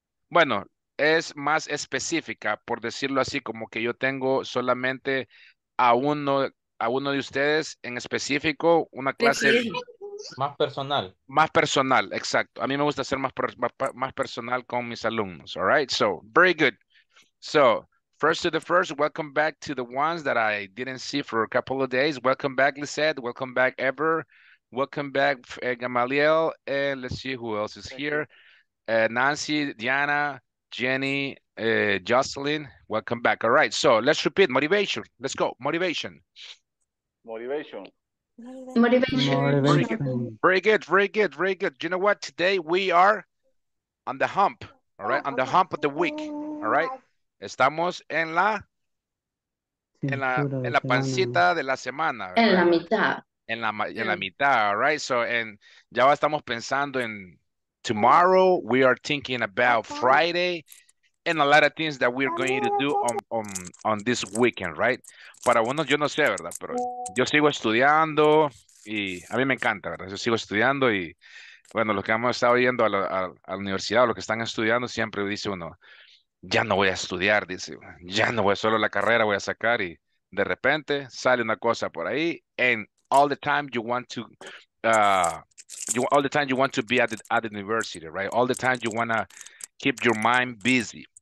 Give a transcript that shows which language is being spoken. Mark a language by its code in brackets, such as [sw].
[es] Bueno, es más específica, por decirlo así, como que yo tengo solamente a uno de ustedes en específico, una clase... Sí. Más personal. Más personal, exacto. A mí me gusta ser más personal con mis alumnos. [en] All right, so, very good. So, first to the first, welcome back to the ones that I didn't see for a couple of days. Welcome back, Lisette. Welcome back, Ever. Welcome back, Gamaliel. And let's see who else is here. Nancy, Diana, Jenny, Jocelyn. Welcome back. All right, so let's repeat. Motivation. Let's go. Motivation. Motivation. Motivation. Very good, very good, very good. You know what? Today we are on the hump, all right? On the hump of the week, all right? [es] Estamos en la pancita de la semana. En la mitad. En la mitad, [en] all right? So, and [es] ya estamos pensando en tomorrow. [en] We are thinking about Friday and a lot of things that we're going to do on this weekend, right? [es] Para uno, yo no sé, ¿verdad? Pero yo sigo estudiando y a mí me encanta, ¿verdad? Yo sigo estudiando y, bueno, los que hemos estado yendo a la universidad o los que están estudiando, siempre dice uno, ya no voy a estudiar, dice, ya no voy, solo la carrera voy a sacar. Y de repente sale una cosa por ahí, [en] and all the time you want to... all the time you want to be at the university, right? All the time you want to keep your mind busy.